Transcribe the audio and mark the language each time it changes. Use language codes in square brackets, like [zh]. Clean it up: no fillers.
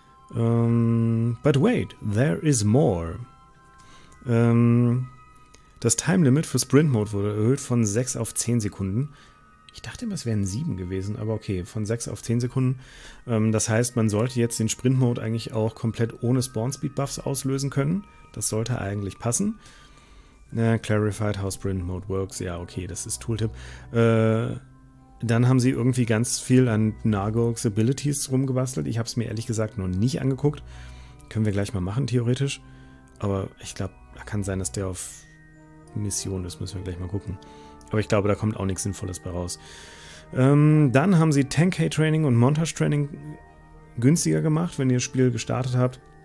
[en] But wait, there is more. [de] Das Time Limit für Sprint Mode wurde erhöht von 6 auf 10 Sekunden. Ich dachte immer, es wären 7 gewesen, aber okay, von 6 auf 10 Sekunden. Das heißt, man sollte jetzt den Sprint Mode eigentlich auch komplett ohne Spawn Speed Buffs auslösen können. Das sollte eigentlich passen. [en] Clarified how Sprint Mode works. [de] Ja, okay, das ist Tooltip. Dann haben sie irgendwie ganz viel an Nargorks Abilities rumgebastelt. Ich habe es mir ehrlich gesagt noch nicht angeguckt. Können wir gleich mal machen, theoretisch. Aber ich glaube, da kann sein, dass der auf Mission ist. Müssen wir gleich mal gucken. Aber ich glaube, da kommt auch nichts Sinnvolles bei raus. Dann haben sie 10K-Training und Montage-Training günstiger gemacht, wenn ihr das Spiel gestartet habt.